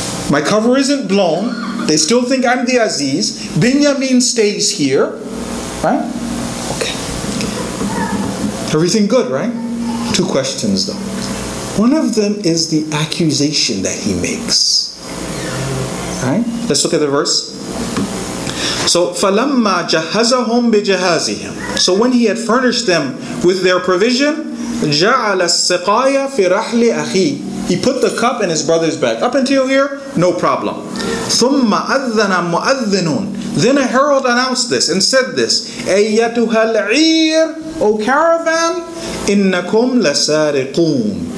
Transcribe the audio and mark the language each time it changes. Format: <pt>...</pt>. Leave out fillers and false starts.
<en>My cover isn't blown. They still think I'm the Aziz. Binyamin stays here. Right? Okay. Everything good, right? Two questions though. One of them is the accusation that he makes. Right? Let's look at the verse. So,</en> <ar>فَلَمَّا جَهَزَهُمْ بِجَهَازِهِمْ.</ar> <en>So when he had furnished them with their provision,</en> <ar>جَعَلَ السَّقَايَ فِي رَحْلِ أَخِيهِ.</ar> <en>He put the cup in his brother's bag. Up until here, no problem.</en> <ar>ثُمَّ أَذَّنَ مُؤَذِّنٌ.</ar> <en>Then a herald announced this and said this,</en> <ar>أَيَّتُهَا الْعِيرُ,</ar> <en>O caravan,</en> <ar>إِنَّكُمْ لَسَارِقُونَ.</ar>